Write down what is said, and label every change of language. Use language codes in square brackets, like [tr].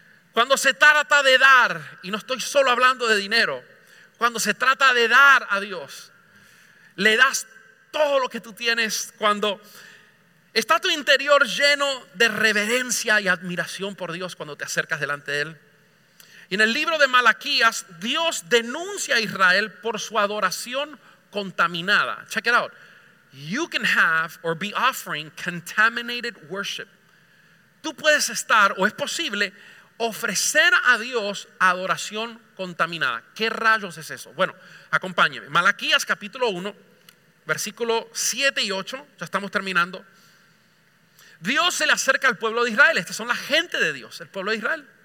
[es] Cuando se trata de dar, y no estoy solo hablando de dinero, cuando se trata de dar a Dios, ¿le das todo lo que tú tienes? Cuando ¿Está tu interior lleno de reverencia y admiración por Dios cuando te acercas delante de Él? Y en el libro de Malaquías, Dios denuncia a Israel por su adoración contaminada. [en] Check it out. You can have or be offering contaminated worship. [es] Tú puedes estar, o es posible, ofrecer a Dios adoración contaminada. ¿Qué rayos es eso? Bueno, acompáñeme. Malaquías capítulo 1, versículos 7 y 8. Ya estamos terminando. Dios se le acerca al pueblo de Israel. Estas son la gente de Dios, el pueblo de Israel.